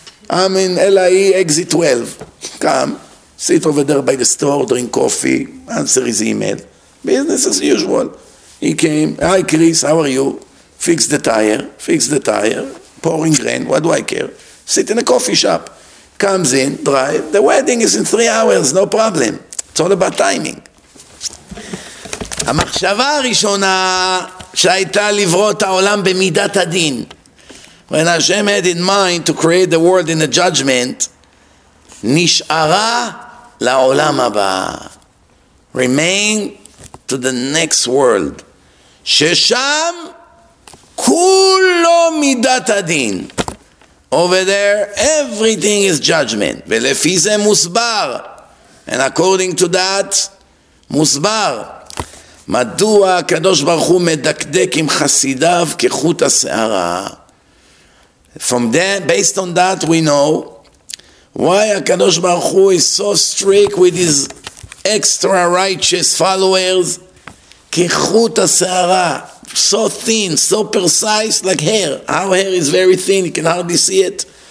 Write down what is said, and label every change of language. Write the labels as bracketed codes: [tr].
[en] I'm in LIE, exit 12. Come, sit over there by the store, drink coffee, answer his email. Business as usual. He came, hi Chris, how are you? Fix the tire. Pouring rain, what do I care? Sit in a coffee shop. Comes in, drive. The wedding is in 3 hours, no problem. It's all about timing. [he] המחשבה הראשונה שהייתה לברות העולם במידת הדין. [en] When Hashem had in mind to create the world in a judgment, [he] נשארה לעולם הבא. [en] Remain to the next world. [he] ששם כולו מידת הדין. [en] Over there, everything is judgment. [he] ולפי זה מוסבר. [en] And according to that, [he] מוסבר. מדוע הקדוש ברוך הוא מדקדק עם חסידיו כחוט השערה? [en] From that, based on that, we know why הקדוש ברוך הוא is so strict with his extra righteous followers [he] כחוט השערה. [en] So thin, so precise, like hair. Our hair is very thin, you can hardly see it.